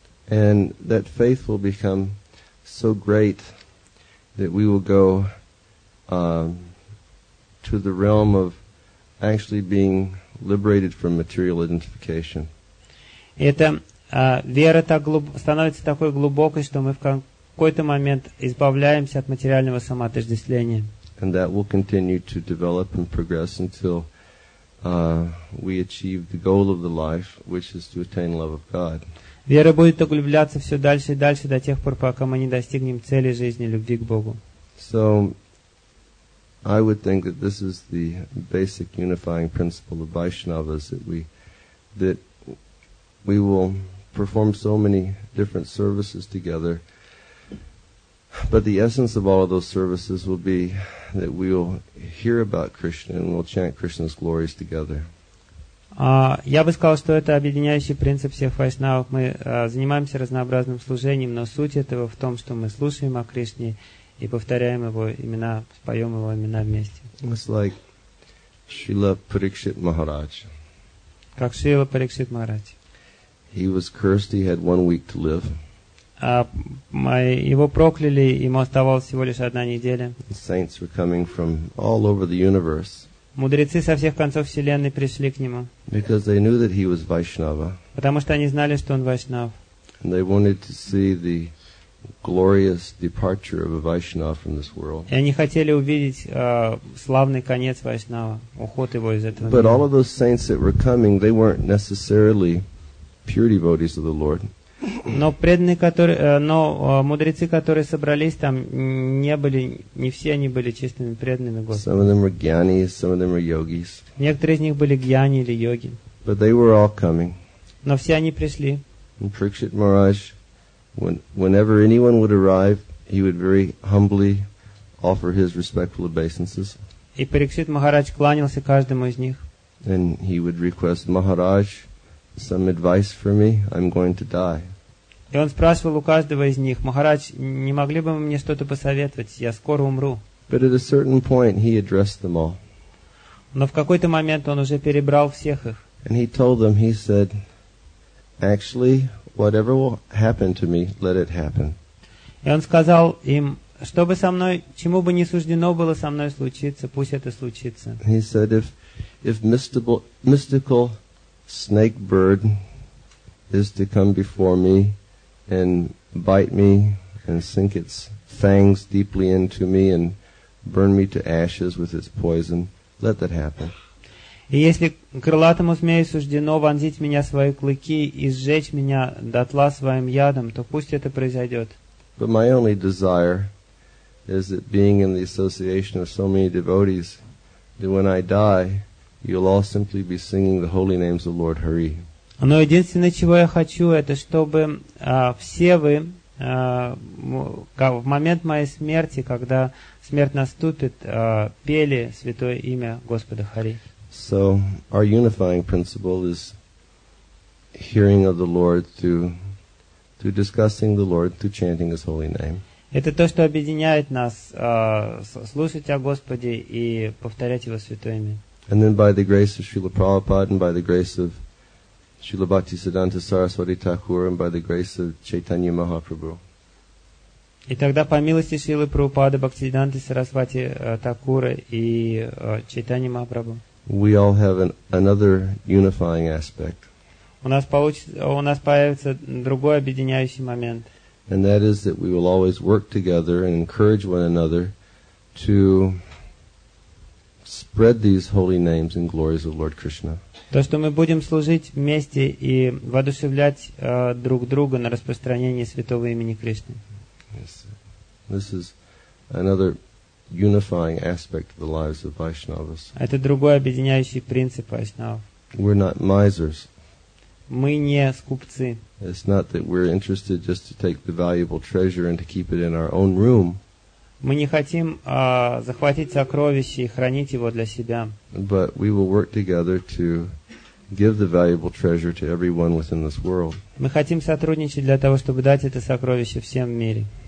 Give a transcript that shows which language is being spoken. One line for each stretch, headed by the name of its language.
English: And that faith will become so great that we will go to the realm of actually being liberated from material identification.
Russian: Это вера так становится такой глубокой, что мы в какой-то момент избавляемся от материального самоотождествления.
English: And that will continue to develop and progress until we achieve the goal of the life, which is to attain love of God.
Russian: Вера будет углубляться все дальше и дальше до тех пор, пока мы не достигнем цели жизни, любви к Богу.
English: So, I would think that this is the basic unifying principle of Vaishnavas, that we will perform so many different services together, but the essence of all of those services will be that we will hear about Krishna and we'll chant Krishna's glories together.
Russian: Я бы сказал, что это объединяющий принцип всех вайшнавов. Мы занимаемся разнообразным служением, но суть этого в том, что мы слушаем о Кришне и повторяем его имена, споем его имена вместе.
English: It's like Srila Parikshit Maharaj.
Russian: Как Srila Parikshit Maharaj.
English: He was cursed, he had 1 week to live.
Russian: Его прокляли, ему оставалось всего лишь одна неделя.
English: Saints were coming from all over the universe.
Russian: Мудрецы со всех концов вселенной пришли к нему.
English: Because they knew that he was Vaishnava.
Russian: Потому что они знали, что он Вайшнав.
English: And they wanted to see the glorious departure of a Vaishnava from this world.
Russian: И они хотели увидеть славный конец Вайшнава, уход его из этого мира.
English: But all of those saints that were coming, they weren't necessarily pure devotees of the Lord.
Russian: Но преданные, мудрецы, которые собрались там, не все они были чистыми преданными Господа.
English: Some of them were gyanis, some of them were yogis.
Russian: Некоторые из них были гьяни или йоги.
English: But they were all coming.
Russian: Но все они пришли.
English: And Parikshit Maharaj, whenever anyone would arrive, he would very humbly offer his respectful obeisances.
Russian: И Парикшит Махарадж кланялся каждому из них.
English: And he would request, Maharaj, some advice for me, I'm going to die.
Russian: И он спрашивал у каждого из них: «Махарадж, не могли бы вы мне что-то посоветовать? Я скоро умру».
English: But at a certain point, he addressed them all.
Russian: Но в какой-то момент он уже перебрал всех их.
English: And he told them, he said, actually, whatever will happen to me, let it happen.
Russian: И он сказал им, что бы со мной, чему бы не суждено было со мной случиться, пусть это случится.
English: He said, if mystical snake bird is to come before me and bite me and sink its fangs deeply into me and burn me to ashes with its poison, let that happen.
Russian: И если крылатому змею суждено вонзить меня свои клыки и сжечь меня дотла своим ядом, то пусть это произойдет.
English: But my only desire is that being in the association of so many devotees, that when I die, you'll all simply be singing the holy names of Lord Hari.
Russian: Но единственное, чего я хочу, это чтобы все вы в момент моей смерти, когда смерть наступит, пели святое имя Господа Хари.
English: So our unifying principle is hearing of the Lord through discussing the Lord, through chanting His holy name.
Russian: Это то, что объединяет нас, слушать о Господе и повторять Его святое имя.
English: And then by the grace of Srila Prabhupada and by the grace of Srila Bhaktisiddhanta Saraswati Thakur and by the grace of Chaitanya Mahaprabhu.
Russian: И тогда по милости Шрилы Прабхупады, Бхактисиддханты Сарасвати Такура и Чайтаньи Махапрабху.
English: We all have another unifying aspect.
Russian: У нас появится другой объединяющий момент.
English: And that is that we will always work together and encourage one another to spread these holy names and glories of Lord Krishna.
Russian: То, что мы будем служить вместе и воодушевлять друг друга на распространение святого имени Кришны.
English: Yes. This is another unifying aspect of the lives of Vaishnavas.
Russian: Это другой объединяющий принцип Вайшнав.
English: We're not misers.
Russian: Мы не скупцы.
English: It's not that we're interested just to take the valuable treasure and to keep it in our own room.
Russian: Мы не хотим захватить сокровище и хранить его для себя.
English: But we will work together to give the valuable treasure to everyone within this world.
Russian: Мы хотим сотрудничать для того, чтобы дать это сокровище всем в мире.